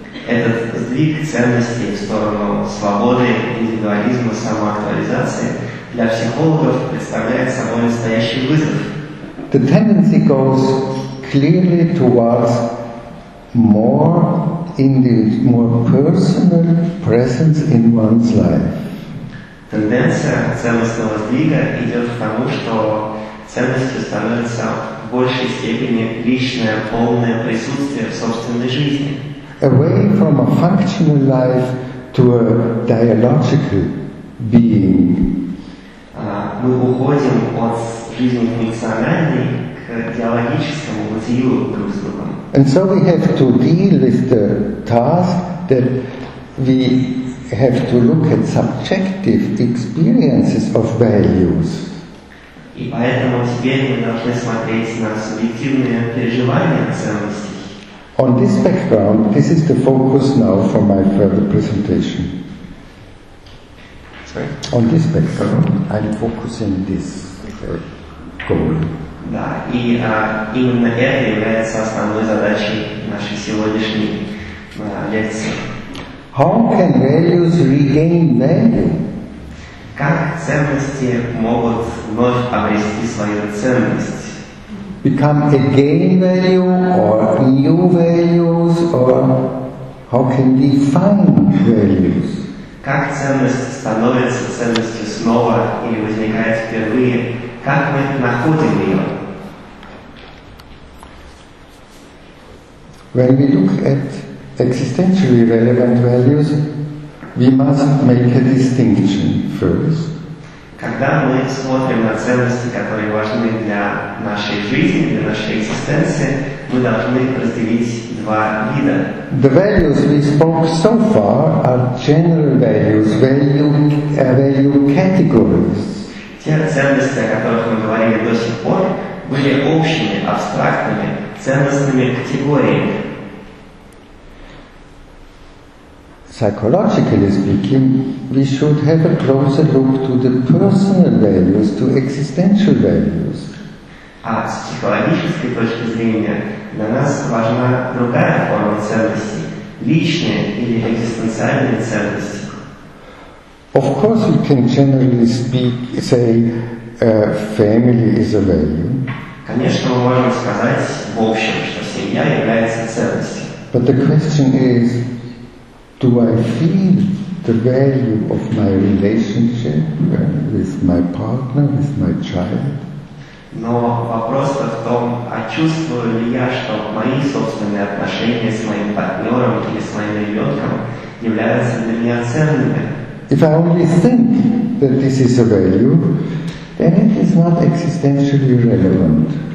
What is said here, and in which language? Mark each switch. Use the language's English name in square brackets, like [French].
[Russian] Этот сдвиг ценностей в сторону свободы, индивидуализма, самоактуализации для психологов представляет собой настоящий вызов. [English] The tendency goes clearly towards more individual, more personal presence in one's life. [Russian] Тенденция ценностного сдвига идет к тому, что ценностью становится в большей степени личное, полное присутствие в собственной жизни. [English] Away from a functional life to a dialogical being. [Russian] Мы уходим от жизни функциональной к диалогическому бытию друг с другом. [English] And so we have to deal with the task that we have to look at subjective experiences of values. [Russian] И поэтому теперь мы должны смотреть на субъективные переживания ценностей. [English] On this background, this is the focus now for my further presentation. Sorry? On this background, I'm focusing this goal. [Russian] Да, и именно это является основной задачей нашей сегодняшней лекции. [English] How can values regain value? [Russian] Как ценности могут вновь обрести свою ценность? [English] Become again value or new values, or how can we find values? [Russian] Как ценность становится ценностью снова или возникает впервые? Как мы находим ее? [English] When we look at existentially relevant values, we must make a distinction first. [Russian] Когда мы смотрим на ценности, которые важны для нашей жизни, для нашей экзистенции, мы должны разделить два вида. [English] The values we spoke so far are general values, value categories. [Russian] Те ценности, о которых мы говорили до сих пор, были общими, абстрактными, ценностными категориями. [English] Psychologically speaking, we should have a closer look to the personal values, to existential values. [Russian] А с психологической точки зрения для нас важна другая форма ценностей, личные или экзистенциальные ценности. [English] Of course, we can generally say family is a value. [Russian] Конечно, мы можем сказать в общем, что семья является ценностью. [English] But the question is, do I feel the value of my relationship with my partner, with my child? [Russian] Но вопрос-то в том, а чувствую ли я, что мои собственные отношения с моим партнером или с моим ребенком являются для меня ценными? [English] If I only think that this is a value, then it is not existentially relevant.